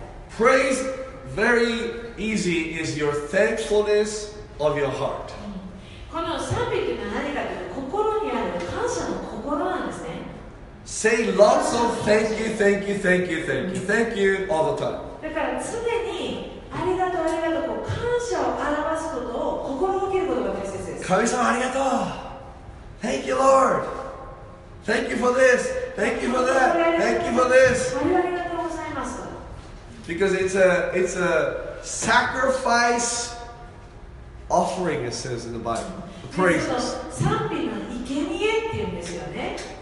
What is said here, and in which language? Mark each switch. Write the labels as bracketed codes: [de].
[en] Praise, very easy, is your thankfulness of your heart. [ja] この賛美というのは何かというと、心にある感謝の心なんですね。 [en] Say lots of thank you, thank you, thank you, thank you, thank you all the time. [ja] だから常にありがとうありがとう、感謝を表すことを心がけることが大切です。神様ありがとう。 [en] Thank you, Lord. Thank you for this. Thank you for that. Thank you for this. [ja] ありがとうございます。 [en] Because it's a sacrifice offering, it says in the Bible. Praise. [ja] 賛美の生贄って言うんですよね。